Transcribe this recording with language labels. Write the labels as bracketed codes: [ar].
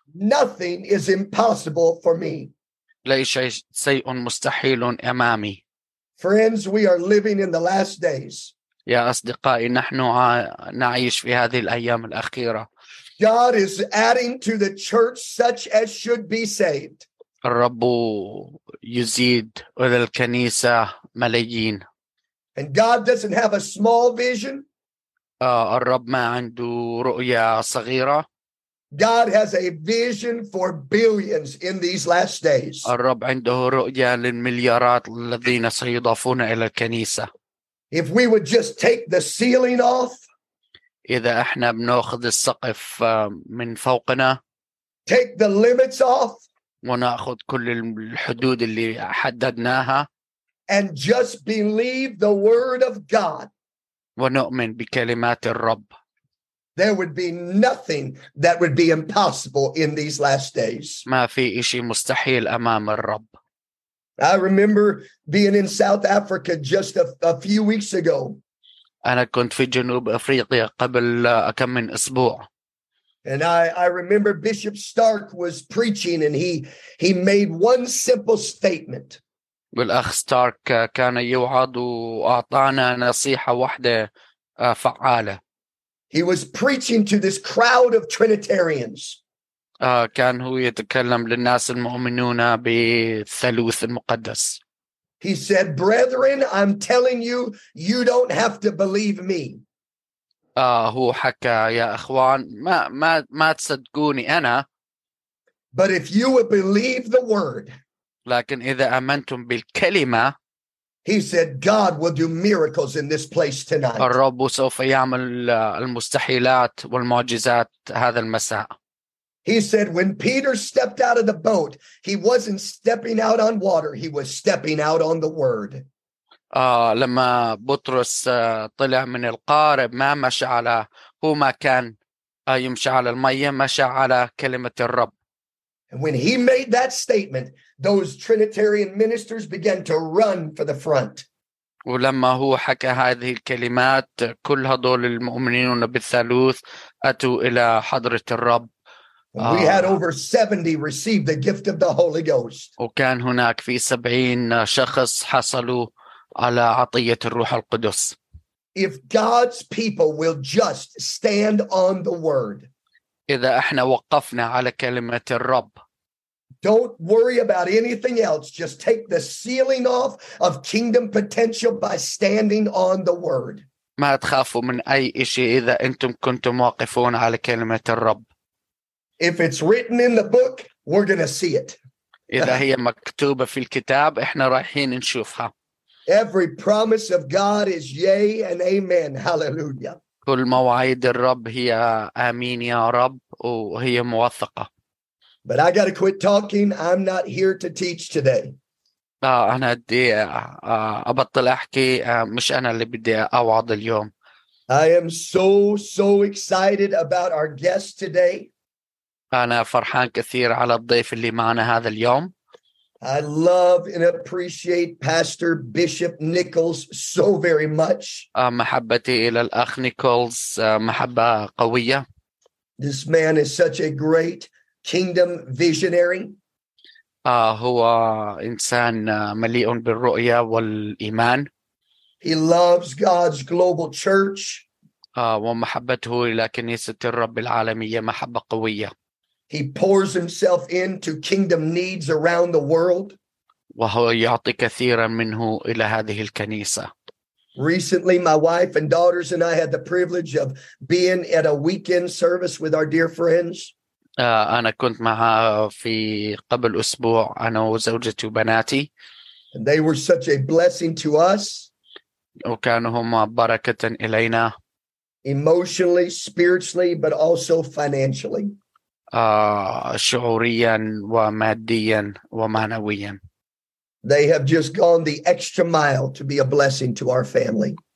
[en] Nothing is impossible for me. [ar] لا شيء مستحيل أمامي. [en] Friends, we are living in the last days. [ar] يا أصدقائي نحن نعيش في هذه الأيام الأخيرة. [en] God is adding to the church such as should be saved. [ar] الرب يزيد إلى الكنيسة ملايين. [en] And God doesn't have a small vision. [ar] الرب ما عنده رؤية صغيرة. [en] God has a vision for billions in these last days. [ar] الرب عنده رؤية للمليارات الذين سيضافون إلى الكنيسة. [en] If we would just take the ceiling off. [ar] إذا إحنا بنأخذ السقف من فوقنا. [en] Take the limits off. [ar] ونأخذ كل الحدود اللي حددناها. [en] And just believe the word of God. [ar] ونؤمن بكلمات الرب. [en] There would be nothing that would be impossible in these last days. [ar] ما في إشي مستحيل أمام الرب. [en] I remember being in South Africa just a few weeks ago. [ar] أنا كنت في جنوب أفريقيا قبل كم من أسبوع. [en] And I remember Bishop Stark was preaching and he made one simple statement. [ar] والأخ ستارك كان يوعظ وأعطانا نصيحة واحدة فعالة. [en] He was preaching to this crowd of Trinitarians. [ar] كان هو يتكلم للناس المؤمنون بالثالوث المقدس. [en] He said, "Brethren, I'm telling you, you don't have to believe me." [ar] هو حكى يا إخوان ما تصدقوني أنا. [en] But if you would believe the word. [ar] لكن إذا آمنتم بالكلمة. [en] He said, "God will do miracles in this place tonight." [ar] الرب سوف يعمل المستحيلات والمعجزات هذا المساء. [en] He said, "When Peter stepped out of the boat, he wasn't stepping out on water; he was stepping out on the word." [ar] لما بطرس طلع من القارب ما مشى على هو ما كان يمشى على المية مشى على كلمة الرب. [en] And when he made that statement, those Trinitarian ministers began to run for the front. [ar] ولما هو حكى هذه الكلمات كل هذول المؤمنون بالثالوث أتوا إلى حضرة الرب. [en] We had over 70 receive the gift of the Holy Ghost. [ar] وكان هناك في 70 شخص حصلوا على عطية الروح القدس. [en] If God's people will just stand on the word. [ar] إذا احنا وقفنا على كلمة الرب. [en] Don't worry about anything else. Just take the ceiling off of kingdom potential by standing on the word. [ar] ما تخافوا من أي إشي إذا أنتم كنتم واقفون على كلمة الرب. [en] If it's written in the book, we're going to see it. [ar] إذا هي مكتوبة في الكتاب إحنا رايحين نشوفها. [en] Every promise of God is yea and amen. Hallelujah. [ar] كل مواعيد الرب هي آمين يا رب وهي موثقة. [en] But I got to quit talking. I'm not here to teach today. [ar] أنا بدي أبطل أحكي. مش أنا اللي بدي أوعظ اليوم. [en] I am so excited about our guest today. [ar] أنا فرحان كثير على الضيف اللي معنا هذا اليوم. [en] I love and appreciate Pastor Bishop Nichols so very much. [ar] محبتي إلى الأخ نيكولز محبة قوية. [en] This man is such a great kingdom visionary. [ar] هو إنسان مليء بالرؤية والإيمان. [en] He loves God's global church. [ar] ومحبته إلى كنيسة الرب العالمية محبة قوية. [en] He pours himself into kingdom needs around the world. [ar] وهو يعطي كثيرا منه إلى هذه الكنيسة. [en] Recently, my wife and daughters and I had the privilege of being at a weekend service with our dear friends. [ar] أنا كنت معها في قبل أسبوع أنا وزوجتي وبناتي. [en] And they were such a blessing to us. [ar] وكانوا هم بركة إلينا. [en] Emotionally, spiritually, but also financially. [ar] شعوريا وماديا ومعنويا. [en] They have just gone the extra mile to be a blessing to our family.